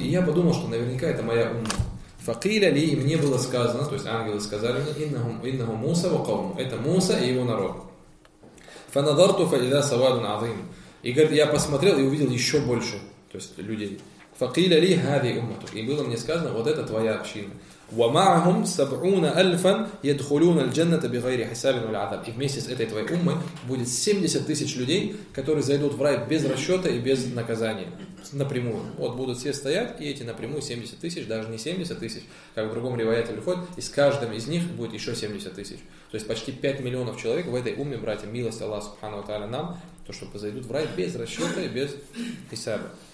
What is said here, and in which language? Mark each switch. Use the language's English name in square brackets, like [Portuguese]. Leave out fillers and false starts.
[Russian] И я подумал, что наверняка это моя умма. [Arabic] Факиля ли, [Russian] мне было сказано, то есть ангелы сказали мне, [Arabic] иннаху Муса ва кауму, [Russian] это Муса и его народ. [Arabic] Фанадарту фаида савадун азим. [Russian] И говорит, я посмотрел и увидел еще больше, то есть людей. [Arabic] Факиля ли хази умматук. [Russian] И было мне сказано, вот это твоя община. [Arabic] ومعهم 70,000 يدخلون الجنة بغير حساب ولا عذاب. [Russian] И вместе с этой твоей уммой будет 70 тысяч людей, которые зайдут в рай без расчета и без наказания. Напрямую. Вот будут все стоять, и эти напрямую 70 тысяч, даже не 70 тысяч, как в другом риваяте приходит, и с каждым из них будет еще 70 тысяч. То есть почти 5 миллионов человек в этой умме, братья, милость Аллаха Субхану ва Тааля нам, то, что зайдут в рай без расчета и без хисаба.